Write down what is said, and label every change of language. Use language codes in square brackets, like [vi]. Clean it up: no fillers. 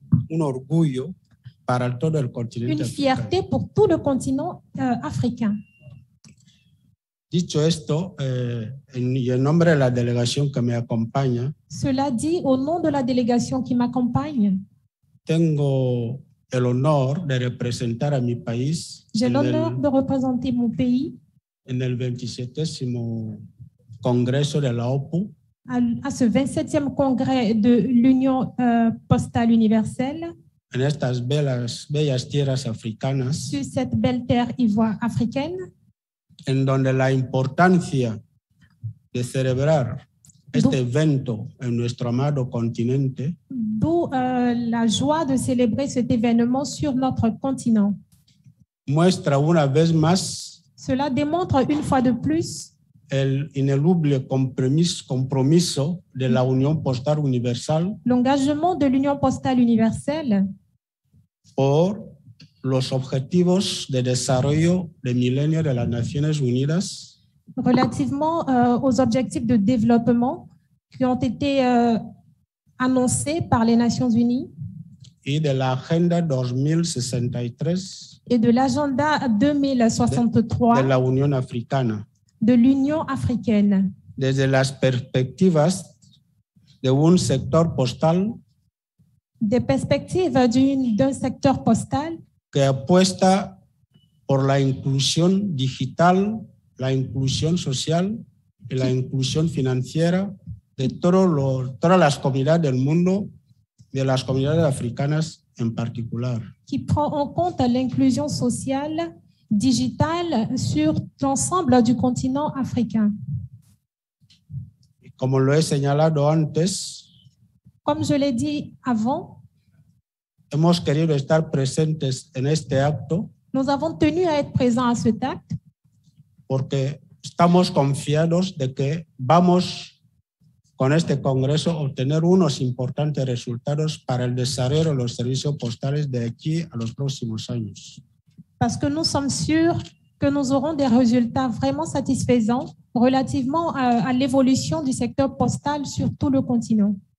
[es] un orgullo para todo el continente [fr] une fierté africain. Pour tout le continent africain. [es] Dicho esto, en nombre de [fr] la délégation que me accompagne, cela dit, au nom de la délégation qui m'accompagne, [es] tengo el honor de representar a mi país. [fr] J'ai l'honneur de representer mon pays. [es] En el 27º Congreso de la OPU. [fr] À ce 27e congrès de l'Union Postale Universelle. [es] En estas bellas tierras africanas. [fr] Sur cette belle terre ivoire africaine. [es] En donde la importancia de celebrar este evento en nuestro amado continente. [fr] D'où la joie de célébrer cet événement sur notre continent. [es] Muestra una vez más. [fr] Cela démontre une fois de plus. [es] El ineluble compromiso de la Unión Postal Universal. [fr] L'engagement de l'Union Postale Universelle. [es] Por los objetivos de desarrollo de milenio de las Naciones Unidas. [fr] Relativement aux objectifs de développement qui ont été annoncés par les Nations Unies. Et de l'agenda 2063. Et de l'agenda 2063. [es] De la Unión Africana. [fr] De l'Union Africaine. [es] Desde las perspectivas de un sector postal. [fr] Des perspectives d'un secteur postal. [es] Que apuesta por la inclusión digital. La inclusión social y la inclusión financiera de todas las comunidades del mundo, de las comunidades africanas en particular. [fr] Qui prend en compte l'inclusion sociale digitale sur l'ensemble du continent africain. [es] Y como lo he señalado antes, [fr] comme je l'ai dit avant, [es] hemos querido estar presentes en este acto. [fr] Nous avons tenu à être présents à cet acte. [es] Porque estamos confiados de que vamos con este congreso a obtener unos importantes resultados para el desarrollo de los servicios postales de aquí a los próximos años. [fr] parce que nous sommes sûrs que nous aurons des résultats vraiment satisfaisants relativement à l'évolution du secteur postal sur tout le continent.